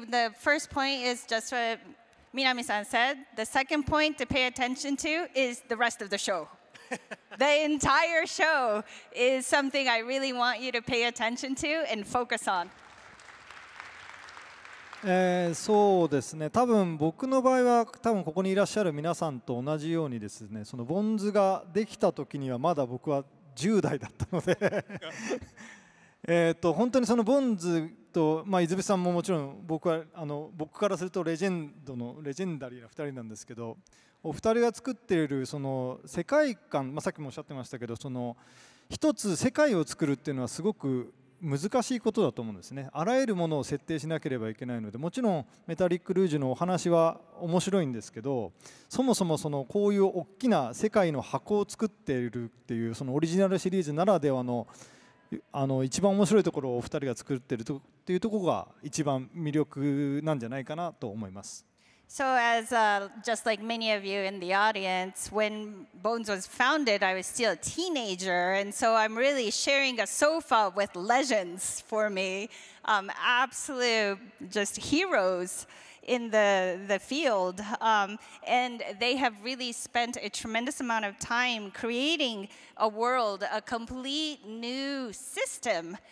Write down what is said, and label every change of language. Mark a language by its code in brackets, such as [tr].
[en] The first point is just what Minami-san said. The second point to pay attention to is the rest of the show. The entire show is something I really want you to pay attention to and focus on. [ja] そうですね。多分僕の場合は、多分ここにいらっしゃる皆さんと同じようにですね、そのボンズができた時にはまだ僕は10代だったので本当にそのボンズと、まあ、伊豆部さんももちろん僕はあの僕からするとレジェンダリーな2人なんですけど、お二人が作っているその世界観、まあ、さっきもおっしゃってましたけど、その一つ世界を作るっていうのはすごく難しいことだと思うんですね。あらゆるものを設定しなければいけないので、もちろんメタリック・ルージュのお話は面白いんですけど、そもそもそのこういう大きな世界の箱を作っているっていう、そのオリジナルシリーズならではのあの一番面白いところをお二人が作ってるというところが一番魅力なんじゃないかなと思います。 [en] So as just like many of you in the audience, when Bones was founded, I was still a teenager, and so I'm really sharing a sofa with legends for me, absolute just heroes in the field. And they have really spent a tremendous amount of time creating a world, a complete new system.